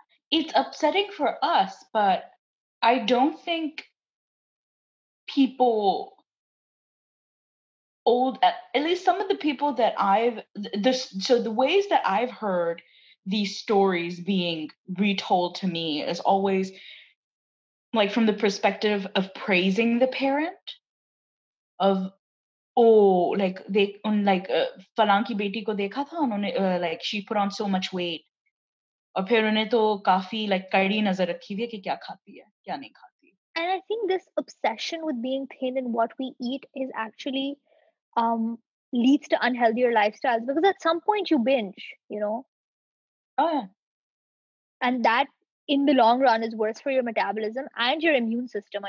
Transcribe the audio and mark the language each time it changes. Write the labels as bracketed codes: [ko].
[en] It's upsetting for us, but I don't think people old, at least some of the people that I've, so the ways that I've heard these stories being retold to me is always like from the perspective of praising the parent of, oh, like they, like [ur] falanki beti ko dekha tha, [en] like she put on so much weight. [ur] اور پھر انہیں تو کافی like کڑی نظر رکھی ہے کہ کیا کھاتی ہے، کیا نہیں کھاتی۔ [en] And I think this obsession with being thin and what we eat is actually leads to unhealthier lifestyles, because at some point you binge, you know? Oh, yeah. And that in the long run is worse for your metabolism and your immune system.